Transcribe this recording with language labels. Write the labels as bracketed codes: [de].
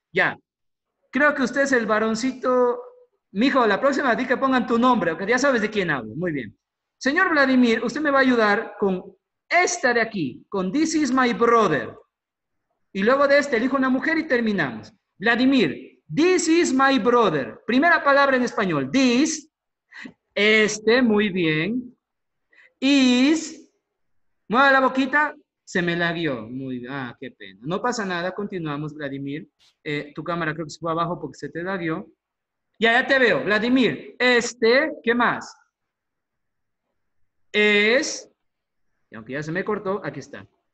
[es] Ya, creo que usted es el varoncito. Mijo, la próxima a ti que pongan tu nombre, que ya sabes de quién hablo. Muy bien. Señor Vladimir, usted me va a ayudar con esta de aquí, con [en] this is my brother. [es] Y luego de este, elijo una mujer y terminamos. [en] Vladimir, this is my brother. [es] Primera palabra en español, this, este, muy bien, is, mueva la boquita, se me laguió, muy bien, ah, qué pena. No pasa nada, continuamos, Vladimir. Tu cámara creo que se fue abajo porque se te laguió. Ya te veo, Vladimir, este, ¿qué más? Es, y aunque ya se me cortó, aquí está.